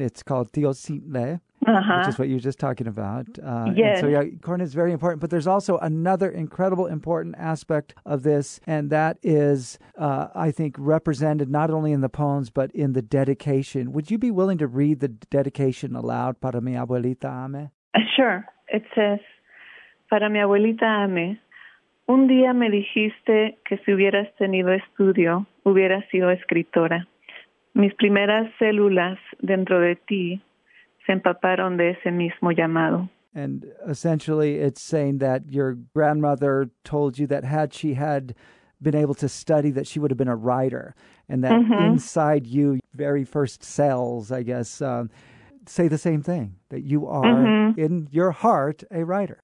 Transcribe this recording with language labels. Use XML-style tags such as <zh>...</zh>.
<en>It's called Teosintle. Uh-huh. Which is what you were just talking about. Yes. So yeah, corn is very important. But there's also another incredible important aspect of this, and that is, I think, represented not only in the poems, but in the dedication. Would you be willing to read the dedication aloud,</en> <es>Para mi abuelita ame?</es> <en>Sure. It says,</en> <es>Para mi abuelita ame, un día me dijiste que si hubieras tenido estudio, hubieras sido escritora. Mis primeras células dentro de ti se empaparon de ese mismo llamado.</es> <en>And essentially it's saying that your grandmother told you that had she had been able to study, that she would have been a writer. And that inside you, very first cells, I guess, say the same thing, that you are, in your heart, a writer.</en>